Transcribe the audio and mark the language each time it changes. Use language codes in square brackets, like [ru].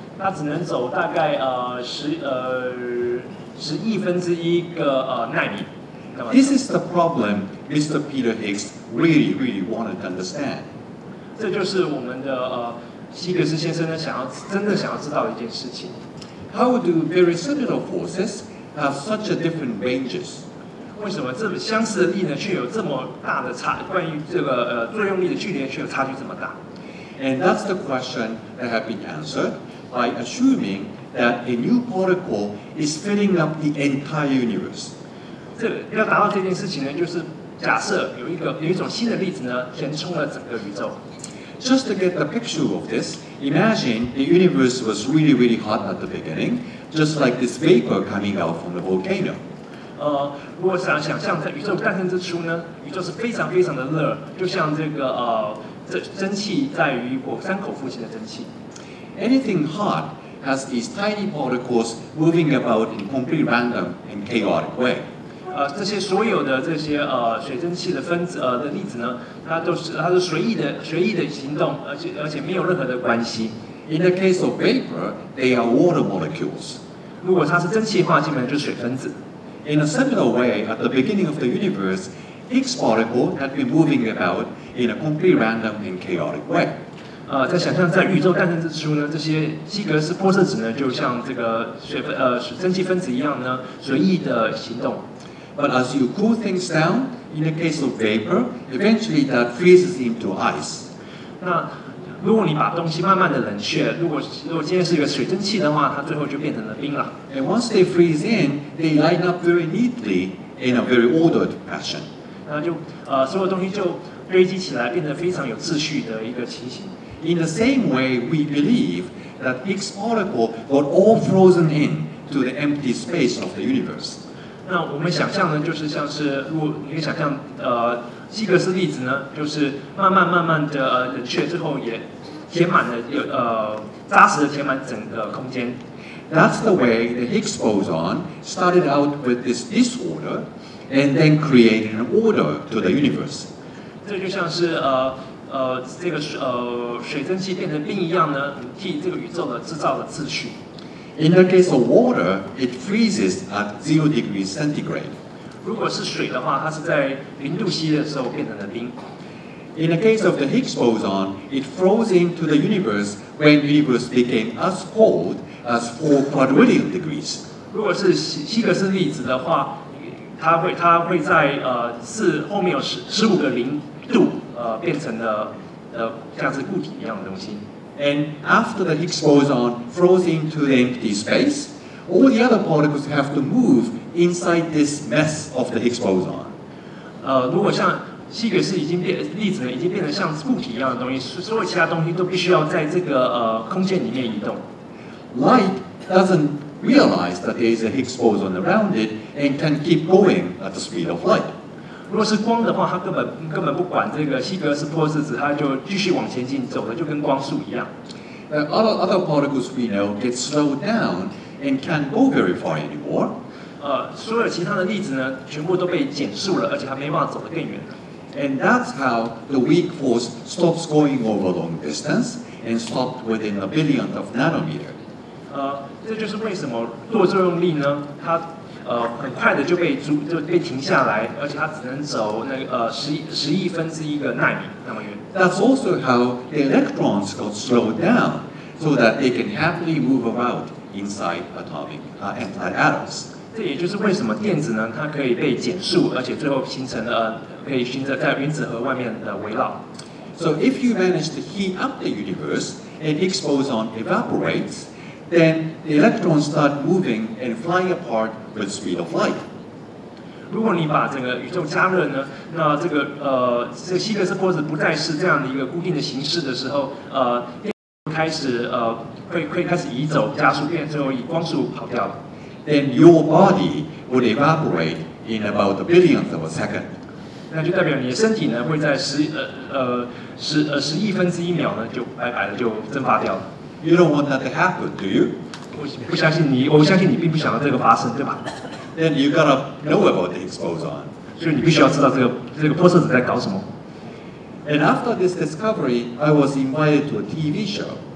[zh] 它只能走大概十亿分之一个纳米。 [en] This is the problem Mr. Peter Higgs really, really wanted to understand. [zh] 这就是我们的希格斯先生呢真的想要知道的一件事情。 [en] How do very similar forces have such a different ranges? [zh] 为什么这么相似的力呢，却有这么大的差？关于这个作用力的距离，却有差距这么大 [en] ？And that's the question that have been answered by assuming that a new particle is filling up the entire universe. [zh] 这个要达到这件事情呢，就是假设有一种新的粒子呢，填充了整个宇宙。 [en] Just to get the picture of this, imagine the universe was really, really hot at the beginning, just like this vapor coming out from the volcano. [zh] 如果想象在宇宙诞生之初呢，宇宙是非常非常的热，就像这个蒸汽在于火山口附近的蒸汽。 [en] Anything hot has these tiny particles moving about in completely random and chaotic way。 [zh] 这些所有的这些水蒸气的分子的粒子呢，它都随意的行动，而且没有任何的关系。 [en] In the case of vapor, they are water molecules。 [zh] 如果它是蒸汽的话，基本上就是水分子。 [en] In a similar way, at the beginning of the universe, Higgs particle had been moving about in a completely random and chaotic way. [zh] 在想象在宇宙诞生之初呢，这些希格斯玻色子呢，就像这个蒸汽分子一样呢，随意的行动。 [en] But as you cool things down, in the case of vapor, eventually that freezes into ice. [zh] 那如果你把东西慢慢的冷却，如果今天是一个水蒸气的话，它最后就变成了冰了。 [en] And once they freeze in, they line up very neatly in a very ordered fashion. [zh] 那就所有东西就堆积起来，变得非常有秩序的一个情形。 [en] In the same way, we believe that Higgs particle got all frozen in to the empty space of the universe. [zh] 那我们想象呢，就是像是如果你想象希格斯粒子呢，就是慢慢的冷却，最后也填满了扎实的填满整个空间。 [en] That's the way the Higgs boson started out with this disorder, and then created an order to the universe. [zh] 这就像是这个水蒸气变成冰一样呢，替这个宇宙的制造了秩序。 [en] In the case of water, it freezes at 0°C. [zh] 如果是水的话，它是在零度 C 的时候变成了冰。 [en] In the case of the Higgs boson, it froze into the universe when the universe became as cold as 4 quadrillion degrees. [zh] 如果是希格斯粒子的话，它会在后面有15个零度变成了像是固体一样的东西。 [en] And after the Higgs boson froze into the empty space, all the other particles have to move. Inside this mess of the Higgs boson, [zh] 如果像希格斯粒子已经变成像固体一样的东西，所有其他东西都必须要在这个空间里面移动。 [en] Light doesn't realize that there is a Higgs boson around it and can keep going at the speed of light. [zh] 如果是光的话，它根本不管这个希格斯玻色子，它就继续往前进，走的就跟光速一样。 [en] Other particles we know get slowed down and can't go very far anymore. [zh] 所有其他的粒子呢，全部都被减速了，而且它没办法走得更远。 [en] And that's how the weak force stops going over long distance and stopped within a billionth of nanometer. [zh] 这就是为什么弱作用力呢，它很快的就被停下来，而且它只能走那个十亿分之一个纳米那么远。 [en] That's also how the electrons got slowed down so that they can happily move about inside atomic atoms. [zh] 这也就是为什么电子呢，它可以被减速，而且最后形成了可以循着在原子核外面的围绕。 [en] So if you manage to heat up the universe and Higgs boson evaporates, then the electrons start moving and flying apart with the speed of light. [zh] 如果你把整个宇宙加热呢，那这个希格斯玻色子不再是这样的一个固定的形式的时候，电子开始会开始移走，加速变，最后以光速跑掉了。 [en] Then your body would evaporate in about a billionth of a second. [zh] 那就代表你的身体呢，会在十亿分之一秒呢，就白白的就蒸发掉了。 [en] You don't want that to happen, do you? [zh] 我相信你并不想要这个发生，对吧 [en] then you gotta know about the Higgs boson. [zh] 所以你必须要知道这个波色子在搞什么。 [en] And after this discovery, I was invited to a TV show.